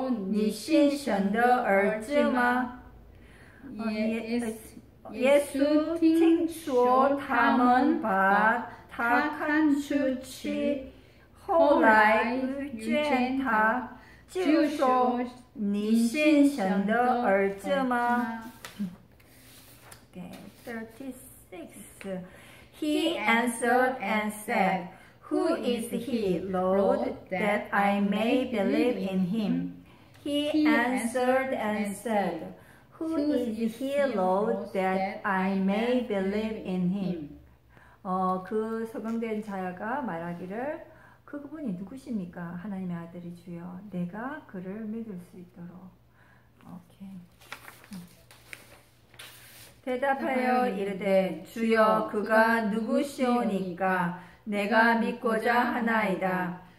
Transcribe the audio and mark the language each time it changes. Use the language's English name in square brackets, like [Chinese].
[Chinese] 예수听说他们把他赶出去，后来遇见他，就说你是神的儿子吗？ 예수听说他们把他看出去，后来遇见他，就说你是神的儿子吗？ [English] Okay, 36. He answered and said, "Who is he, Lord, that I may believe in him?" He answered and said, "Who is he, Lord, that I may believe in him?" [Korean] 그 소경된 자가 말하기를, 그분이 누구십니까? 하나님의 아들이 주여, 내가 그를 믿을 수 있도록. 오케이. 대답하여 이르되, 주여, 그가 누구시오니까 내가 믿고자 하나이다.